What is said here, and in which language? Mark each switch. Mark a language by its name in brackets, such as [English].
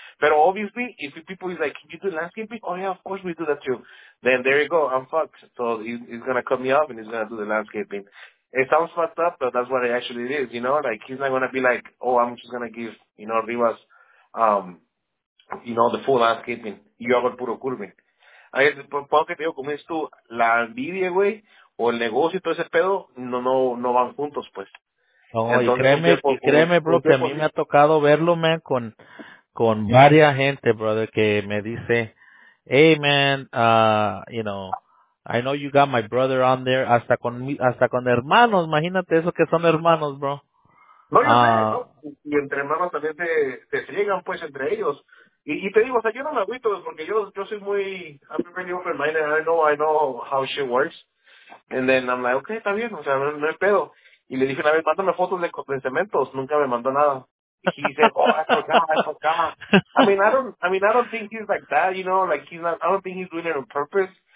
[English] But obviously, if people is like, can you do landscaping? Oh, yeah, of course we do that too. Then there you go, I'm fucked. So he's going to cut me off and he's going to do the landscaping. It sounds fucked up, but that's what it actually is, you know? Like, he's not going to be like, oh, I'm just going to give, you know, Rivas, you know, the full landscaping. [Spanish] Yo hago el puro curve. Ahí es por lo que te digo, como es tú, la envidia, güey, o el negocio y todo ese pedo, no van juntos, pues. No, entonces, créeme, bro, que a mí me ha tocado verlo, man, con varias gente, brother, que me dice, [English] hey, man, you know, I know you got my brother on there, [Spanish] hasta con hermanos, imagínate eso que son hermanos, bro. No, y entre hermanos también te llegan, pues, entre ellos. Y te digo, o sea, yo no me agüito, porque yo soy muy, [English] I'm pretty open-minded, I know how shit works. And then I'm like, okay, [Spanish] está bien, o sea, no es pedo. Y le dije una vez, mándame fotos de cementos, nunca me mandó nada. Y dice, [English] oh, I forgot. I mean, I don't think he's like that, you know, like, he's not, I don't think he's doing it on purpose.